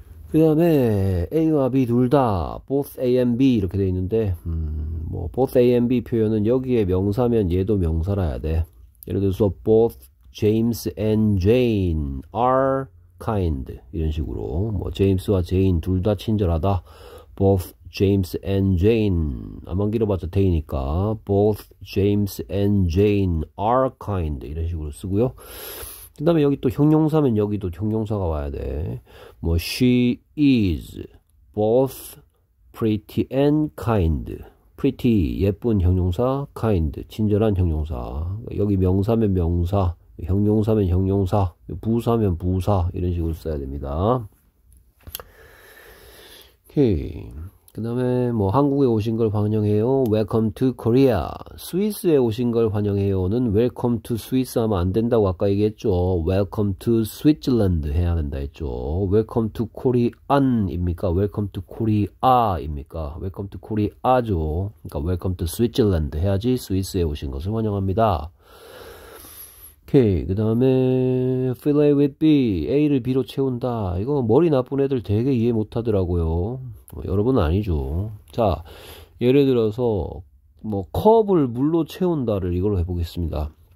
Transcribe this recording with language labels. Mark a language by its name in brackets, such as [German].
[Korean] 그다음에 A와 B 둘다 [English] both A and B [Korean] 이렇게 돼 있는데 뭐 both A and B 표현은 여기에 명사면 얘도 명사라야 돼. 예를 들어서 [English] both James and Jane are kind [Korean] 이런 식으로 뭐 제임스와 제인 둘다 친절하다. [English] Both James and Jane [Korean] 암만 길어봤자 데이니까 [English] Both James and Jane are kind [Korean] 이런 식으로 쓰고요. 그다음에 여기 또 형용사면 여기도 형용사가 와야 돼. [English] 뭐 She is both pretty and kind. [Korean] Pretty 예쁜 형용사, kind 친절한 형용사. 여기 명사면 명사. 형용사면 형용사, 부사면 부사 이런 식으로 써야 됩니다. 오케이. 그다음에 뭐 한국에 오신 걸 환영해요. [English] Welcome to Korea. [Korean] 스위스에 오신 걸 환영해요는 [English] Welcome to Swiss [Korean] 하면 안 된다고 아까 얘기했죠. [English] Welcome to Switzerland [Korean] 해야 된다 했죠. [English] Welcome to Korean입니까? Welcome to Korea입니까? Welcome to Korea죠. [Korean] 그러니까 [English] Welcome to Switzerland [Korean] 해야지 스위스에 오신 것을 환영합니다. 오케이, 그 다음에 [English] fill A with B, [Korean] A를 B로 채운다. 이거 머리 나쁜 애들 되게 이해 못하더라고요. 여러분 아니죠. 자, 예를 들어서 뭐 컵을 물로 채운다를 이걸로 해보겠습니다.